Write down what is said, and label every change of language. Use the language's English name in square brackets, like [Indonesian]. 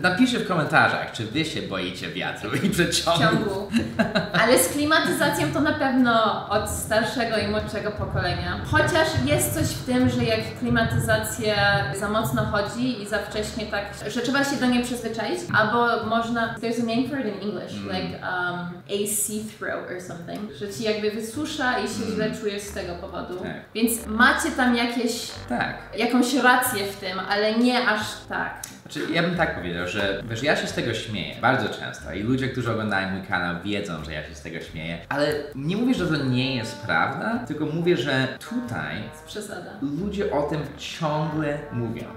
[Polish] Napiszcie w komentarzach, czy wy się boicie wiatru i przyciągu. Ale z klimatyzacją to na pewno od starszego i młodszego pokolenia. Chociaż jest coś w tym, że jak klimatyzacja za mocno chodzi i za wcześnie tak, że trzeba się do niej przyzwyczaić, albo można... [English] There's a name for it in English, like AC throw or something. [Polish] Że ci jakby wysusza i się źle czujesz z tego powodu. Tak. Więc macie tam jakieś... Tak. Jakąś rację w tym, ale nie aż tak. Znaczy, ja bym tak powiedział, że wiesz, ja się z tego śmieję bardzo często i ludzie, którzy oglądają mój kanał, wiedzą, że ja się z tego śmieję, ale nie mówię, że to nie jest prawda, tylko mówię, że tutaj ludzie o tym ciągle mówią.